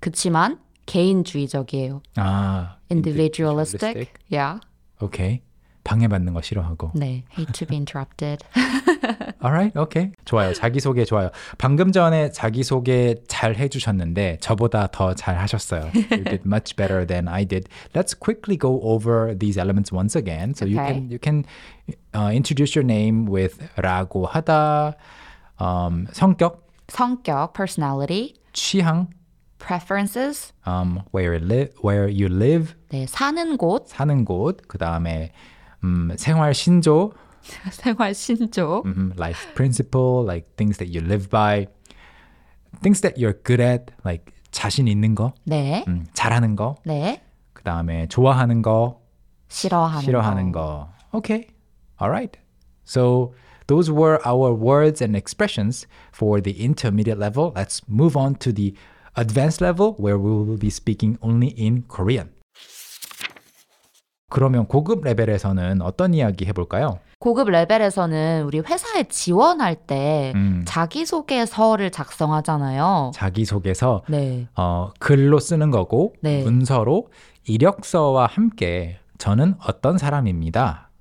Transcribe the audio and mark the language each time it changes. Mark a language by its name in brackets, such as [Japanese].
[Korean] 그치만 개인주의적이에요. 아, [English] individualistic. Yeah. [Korean] Okay. 방해받는 거 싫어하고. 네, [English] hate to be interrupted. Alright, okay. 좋아요, [Korean] 자기소개 좋아요. 방금 전에 자기소개 잘 해주셨는데 저보다 더 잘 하셨어요. [English] You did much better than I did. Let's quickly go over these elements once again. So okay. you can introduce your name with 라고 하다, 성격. 성격, personality. [Korean] 취향. [English] Preferences. Where you live. [Korean] 네, 사는 곳. 사는 곳, 그 다음에... 생활 신조, 생활 신조, [English] life principle, like things that you live by, things that you're good at, like [Korean] 자신 있는 거, 네, 잘하는 거, 네, 그 다음에 좋아하는 거, 싫어하는 거. [English] 거. Okay, all right. So those were our words and expressions for the intermediate level. Let's move on to the advanced level where we will be speaking only in Korean. [Korean] 그러면 고급 레벨에서는 어떤 이야기 해볼까요? 고급 레벨에서는 우리 회사에 지원할 때 자기소개서를 작성하잖아요. 자기소개서? 네. 글로 쓰는 거고 네. 문서로 이력서와 함께 저는 어떤 사람입니다.